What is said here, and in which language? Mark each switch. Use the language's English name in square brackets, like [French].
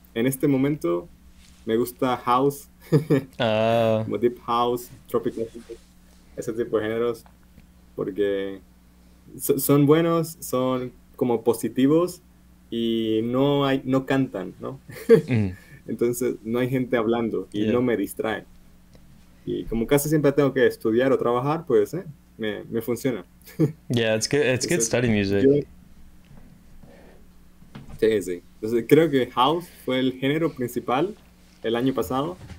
[Spanish] En este momento me gusta house. Como deep house, tropical, ese tipo de géneros, porque son buenos, son como positivos y no cantan, ¿no? Entonces no hay gente hablando y no me distrae. Y como casi siempre tengo que estudiar o trabajar, pues me funciona. [English] Yeah, it's good study music. [Spanish] Sí. Entonces creo que house fue el género principal el año pasado.